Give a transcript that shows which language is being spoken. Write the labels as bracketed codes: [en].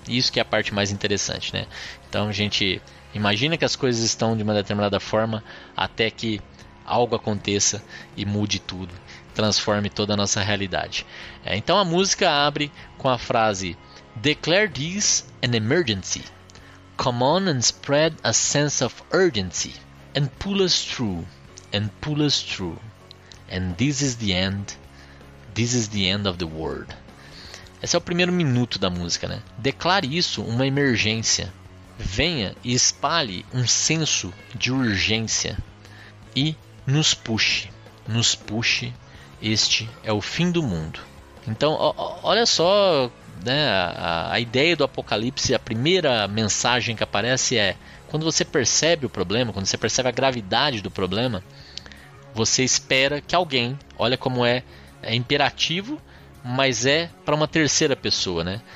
[pt] E isso que é a parte mais interessante, né? Então, a gente imagina que as coisas estão de uma determinada forma até que algo aconteça e mude tudo, transforme toda a nossa realidade. Então a música abre com a frase: [en] "Declare this an emergency. Come on and spread a sense of urgency. And pull us through. And pull us through. And this is the end. This is the end of the world." [pt] Esse é o primeiro minuto da música, né? Declare isso uma emergência. Venha e espalhe um senso de urgência. E nos puxe. Nos puxe. Este é o fim do mundo. Então, olha só, né, a ideia do Apocalipse, a primeira mensagem que aparece é: quando você percebe o problema, quando você percebe a gravidade do problema, você espera que alguém, olha como é imperativo, mas é para uma terceira pessoa, né?